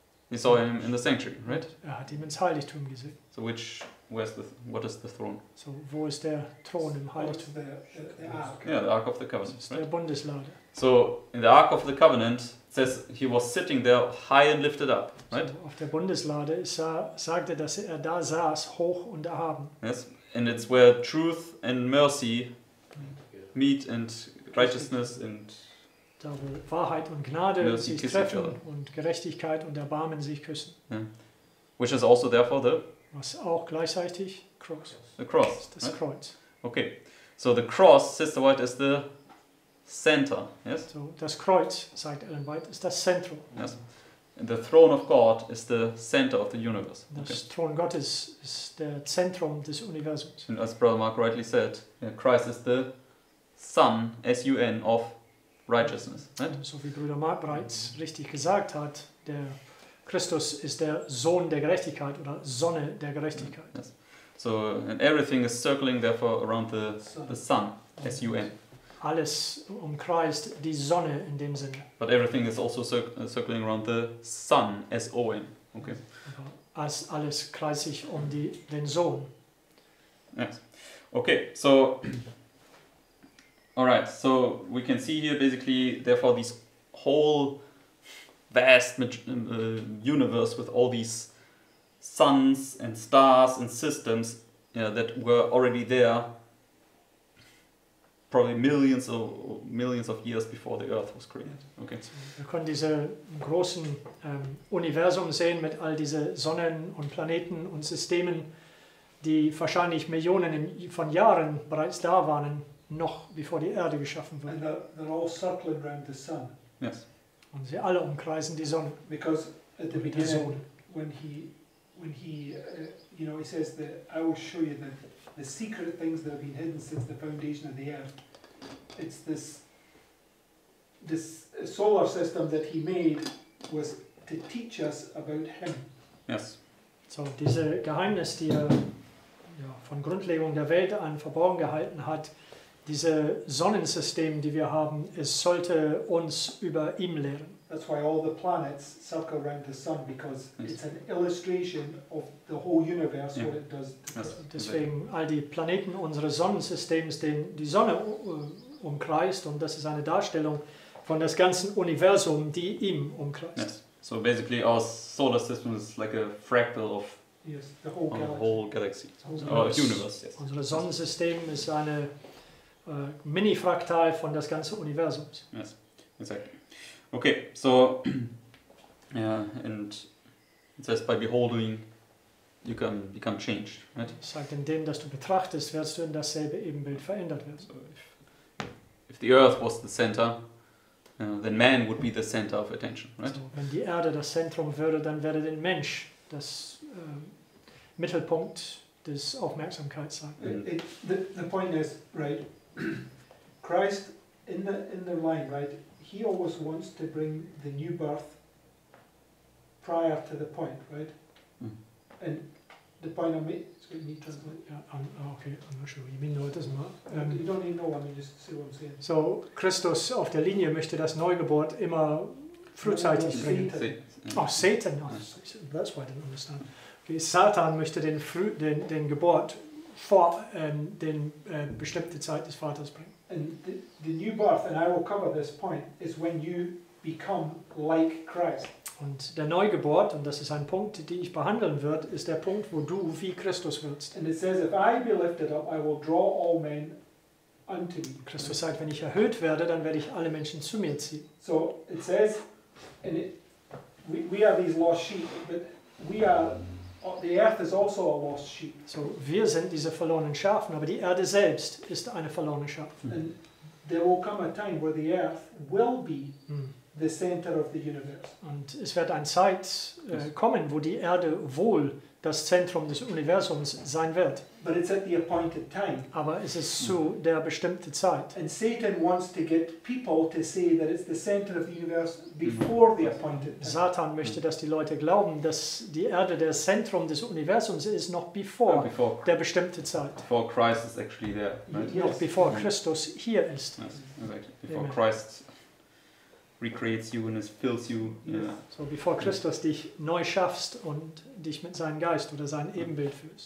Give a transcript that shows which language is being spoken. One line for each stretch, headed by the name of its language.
English: He saw him in the sanctuary, right?
German: Er hat ihn ins Heiligtum gesehen.
English: So which, where's the, what is the throne?
German: So wo ist der Thron im Heiligtum?
English: The Ark. Yeah, the Ark of the Covenant. Right?
German: Der Bundeslade.
English: So in the Ark of the Covenant, it says he was sitting there high and lifted up, right? So
German: auf der Bundeslade sagte, dass er da saß, hoch und erhaben.
English: Yes, and it's where truth and mercy meet and righteousness and
German: da wo Wahrheit und Gnade sich treffen und Gerechtigkeit und Erbarmen sich küssen.
English: Yeah. Which is also therefore the?
German: Was auch gleichzeitig?
English: Cross. The cross.
German: Das
English: right?
German: Kreuz.
English: Okay. So the cross, Sister White, is the center. Yes?
German: So das Kreuz, sagt Ellen White, ist das Zentrum.
English: Yes. And the throne of God is the center of the universe.
German: Das
English: okay.
German: Thron Gottes ist der Zentrum des Universums.
English: And as Brother Mark rightly said, Christ is the Son, S-U-N, of righteousness, right?
German: So wie Bruder Mark bereits richtig gesagt hat, der Christus ist der Sohn der Gerechtigkeit oder Sonne der Gerechtigkeit.
English: Yes. So and everything is circling therefore around the sun, S-U-N.
German: Alles umkreist die Sonne in dem Sinne.
English: But everything is also circling around the sun, S-O-N. Okay.
German: Also alles kreist sich um die den Sohn.
English: Yes. Okay. So. All right, so we can see here basically, therefore, these whole vast universe with all these suns and stars and systems, you know, that were already there probably millions of years before the Earth was created. Okay.
German: Wir können diese großen Universum sehen mit all diese Sonnen und Planeten und Systemen, die wahrscheinlich Millionen von Jahren bereits da waren, noch bevor die Erde geschaffen wurde.
English: And they're all circling around the sun. Yes.
German: Und sie alle umkreisen die Sonne.
English: Because at the beginning, when he says that I will show you the secret things that have been hidden since the foundation of the Earth, it's this solar system that he made was to teach us about him. Yes.
German: So diese Geheimnis, die er ja, von Grundlegung der Welt an verborgen gehalten hat, diese Sonnensystem, die wir haben, es sollte uns über ihm lehren.
English: That's why all the planets circle around the sun, because it's an illustration of the whole universe, yeah. What it does.
German: Deswegen all die Planeten unseres Sonnensystems, den die Sonne umkreist, und das ist eine Darstellung von das ganzen Universum, die ihm umkreist.
English: Yes. So basically our solar system is like a fractal of the whole galaxy. Universe. Yes.
German: Unser Sonnensystem ist eine Mini-Fraktal von das ganze Universum.
English: Yes, exactly. Okay, so, yeah, and it says by beholding, you can become changed, right?
German: Es sagt, indem, dass du betrachtest, wirst du in dasselbe Ebenbild verändert werden.
English: So if the Earth was the center, then man would be the center of attention, right?
German: So, wenn die Erde das Zentrum würde, dann wäre der Mensch das Mittelpunkt des Aufmerksamkeits.
English: The point is, right, Christ in the line, right, he always wants to bring the new birth prior to the point, right? Mm. And the point I'm making, it's going to need translation. Yeah, I'm not sure what you mean, though, it doesn't matter. You don't need no one, you just see what I'm saying.
German: So, Christus auf der Linie möchte das Neugeburt immer frühzeitig bringen.
English: Satan. Oh, Satan. Oh, that's why I didn't understand.
German: Okay, Satan möchte den Geburt vor den bestimmte Zeit des Vaters bringen.
English: And the new birth, and I will cover this point, is when you become like Christ.
German: Und der Neugeburt, und das ist ein Punkt, den ich behandeln wird, ist der Punkt, wo du wie Christus wirst.
English: And it says, if I be lifted up, I will draw all men unto me.
German: Christus sagt, wenn ich erhöht werde, dann werde ich alle Menschen zu mir ziehen.
English: So it says, and we are these lost sheep, but we are. The earth is also a lost sheep.
German: So, wir sind diese verlorenen Schafen, aber die Erde selbst ist eine verlorene Schaf.
English: And there will come a time where the earth will be the center of the universe.
German: Und es wird eine Zeit kommen, wo die Erde wohl das Zentrum des Universums sein wird.
English: But it's at the appointed time.
German: Aber es ist zu der bestimmten Zeit.
English: And Satan wants to get people to say that it's the center of the universe before the appointed time.
German: Satan möchte, dass die Leute glauben, dass die Erde das Zentrum des Universums ist, noch bevor der bestimmten Zeit.
English: Before Christ is actually there. Right?
German: Noch bevor Christus hier ist.
English: Yes, exactly. Before Christ recreates you and fills you. So before
German: Christus dich neu schaffst und dich mit seinem Geist oder seinem Ebenbild füllst.